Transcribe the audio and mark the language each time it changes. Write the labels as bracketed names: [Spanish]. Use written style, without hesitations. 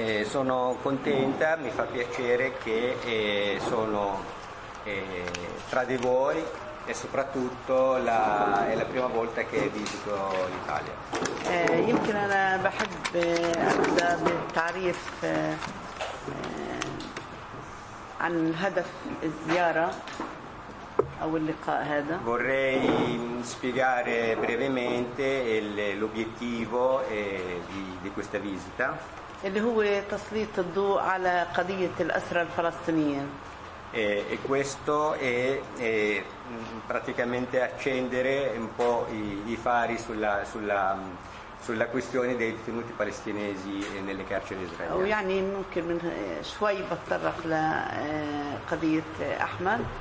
[Italian] Sono contenta, mi fa piacere che sono tra di voi, e soprattutto è la prima volta che visito l'Italia. [Arabic] يمكن انا بحب ابدا بالتعريف عن هدف الزياره او اللقاء هذا. [Italian] Vorrei spiegare brevemente l'obiettivo di questa visita. [Arabic] اللي هو تسليط الضوء على قضيه الاسرى الفلسطينيه. [Italian] E questo è praticamente accendere un po' i fari sulla questione dei detenuti palestinesi nelle carceri israeliane. [Arabic] O يعني ممكن من شوي بتطرق لقضية أحمد.